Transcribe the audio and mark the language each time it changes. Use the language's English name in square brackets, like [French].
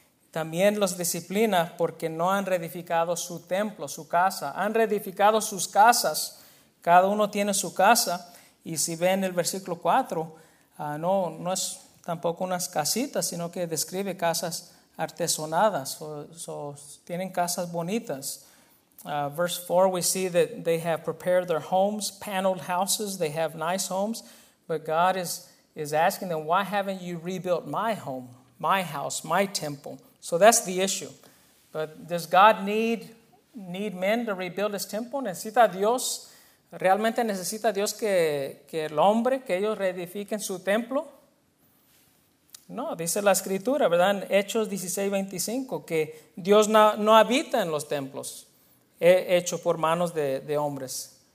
[Spanish] También los disciplina porque no han reedificado su templo, su casa. Han reedificado sus casas. Cada uno tiene su casa. Y si ven el versículo 4, no es tampoco unas casitas, sino que describe casas artesonadas. So tienen casas bonitas. [English] Verse 4, we see that they have prepared their homes, paneled houses. They have nice homes. But God is asking them, why haven't you rebuilt my home, my house, my temple? So that's the issue. But does God need men to rebuild his temple? [Spanish] ¿Necesita Dios? ¿Realmente necesita Dios que el hombre, que ellos reedifiquen su templo? No, dice la Escritura, ¿verdad? En Hechos 16:25, que Dios no habita en los templos hechos por manos de hombres.